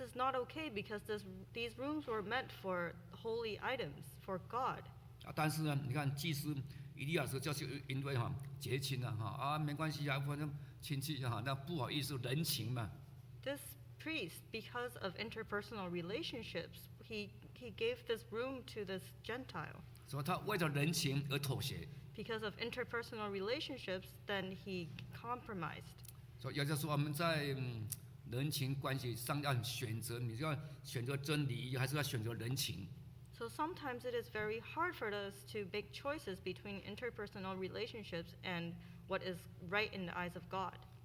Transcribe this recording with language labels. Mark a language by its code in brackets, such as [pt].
[en] is not okay because these rooms were meant for holy items for God. [zh] 但是呢，你看祭司以利亚说，就是因为结亲了，没关系，反正亲戚那不好意思，人情嘛。 [en] This priest, because of interpersonal relationships, he gave this room to this Gentile. [zh] 所以他为了人情而妥协。 [en] Because of interpersonal relationships, then he compromised. [zh] 所以也就是说，我们在人情关系上要选择，你要选择真理，还是要选择人情。 [en] So sometimes it is very hard for us to make choices between interpersonal relationships and what is right in the eyes of God.